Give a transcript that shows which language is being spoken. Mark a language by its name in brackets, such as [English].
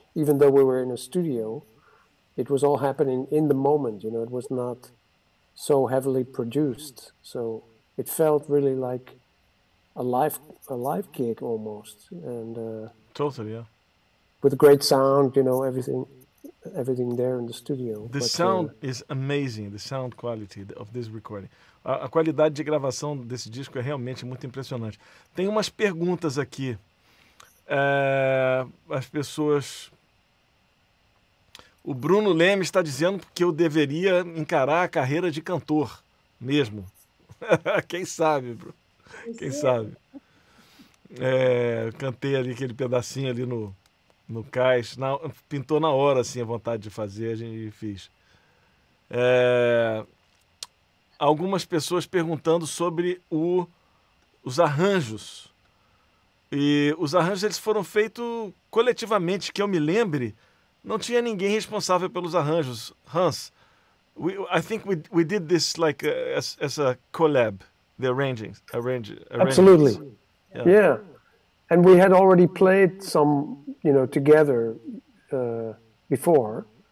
[English] Even though we were in a studio, it was all happening in the moment, you know, it was not so heavily produced. So it felt really like a live gig almost. And totally, yeah. With great sound, you know, everything there in the studio. The sound is amazing, the sound quality of this recording. [Portuguese] A qualidade de gravação desse disco é realmente muito impressionante. Tem umas perguntas aqui. As pessoas... O Bruno Leme está dizendo que eu deveria encarar a carreira de cantor mesmo. Quem sabe, Bruno? Quem sabe? Cantei ali aquele pedacinho ali no cais. Pintou na hora, assim, a vontade de fazer. A gente fez. Algumas pessoas perguntando sobre os arranjos. E os arranjos eles foram feitos coletivamente, que eu me lembre. Não tinha ninguém responsável pelos arranjos. [English] Hans, I think we did this like as a collab, the arrangements. Absolutely. Yeah. And we had already played some, you know, together before.